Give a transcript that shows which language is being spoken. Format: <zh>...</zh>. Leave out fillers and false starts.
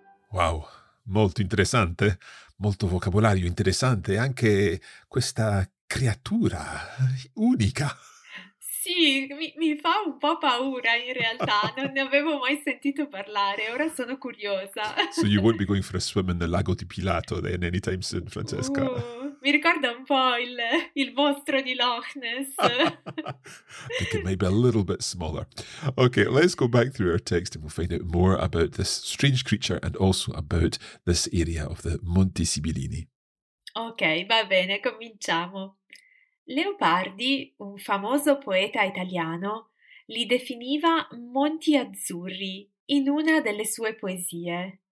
<it>Wow, molto interessante, molto vocabolario interessante, anche questa creatura unica. Sì, mi fa un po' paura in realtà, non ne avevo mai sentito parlare, ora sono curiosa.</it> <en>So you won't be going for a swim in the lago di Pilato then anytime soon, Francesca.</en> <it>Mi ricorda un po' il mostro di Loch Ness.</it> <en>I think it may be a little bit smaller. Okay, let's go back through our text and we'll find out more about this strange creature and also about this area of the Monti Sibillini.</en> <it>Ok, va bene, cominciamo. Leopardi, un famoso poeta italiano, li definiva monti azzurri in una delle sue poesie.</it>